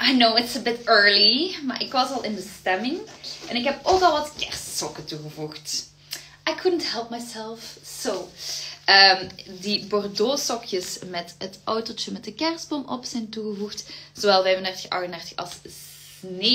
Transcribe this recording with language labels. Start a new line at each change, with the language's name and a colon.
Dutch: En,
English: I know it's a bit early,
Dutch: maar ik was al in de stemming. En ik heb ook al wat kerstsokken toegevoegd.
English: I couldn't help myself, so...
Dutch: die Bordeaux sokjes met het autootje met de kerstboom op zijn toegevoegd. Zowel 35-38 als 39-42.